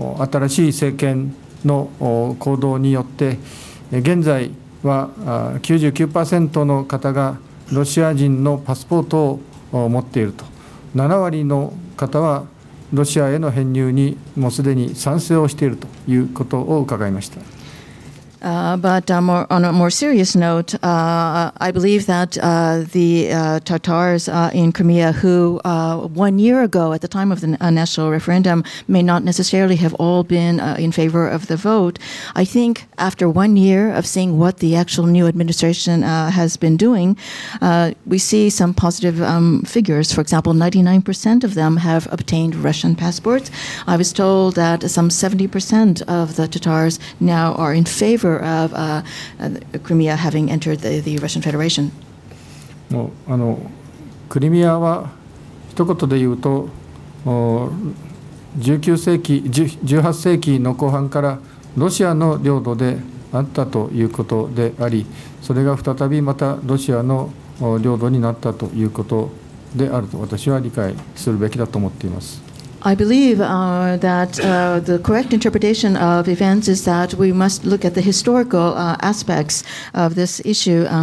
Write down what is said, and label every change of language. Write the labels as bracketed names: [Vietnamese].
[Japanese] 新しい政権の行動によって、現在は 99% の方がロシア人のパスポートを持っていると、7割の方はロシアへの編入にもうすでに賛成をしているということを伺いました。 [English] But on a more serious note, I believe that the Tatars in Crimea, who 1 year ago at the time of the national referendum may not necessarily have all been in favor of the vote, I think after 1 year of seeing what the actual new administration has been doing, we see some positive figures. For example, 99% of them have obtained Russian passports. I was told that some 70% of the Tatars now are in favor of Crimea having entered the Russian Federation. [Japanese] もうあのクリミアは一言で言うと、19世紀、18世紀の後半からロシアの領土であったということであり、それが再びまたロシアの領土になったということであると私は理解するべきだと思っています。 [English] I believe that the correct interpretation of events is that we must look at the historical aspects of this issue.